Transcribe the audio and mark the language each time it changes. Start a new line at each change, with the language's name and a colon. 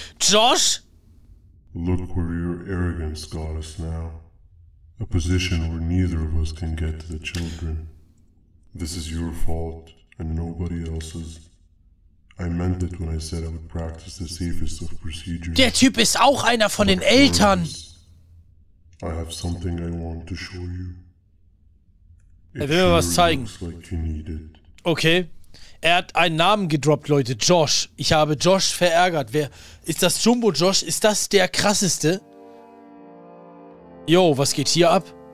English: Josh! Look where your arrogance got us now. A position where neither of us can get to the children. This is your fault and nobody else's. I meant it when I said I would practice the safest of procedures.
German: Der Typ ist auch einer von den Eltern.
English: I have something I want to show you.
German: Er will mir was zeigen. Okay. Er hat einen Namen gedroppt, Leute. Josh. Ich habe Josh verärgert. Wer ist das? Jumbo Josh? Ist das der krasseste? Yo, was geht hier ab?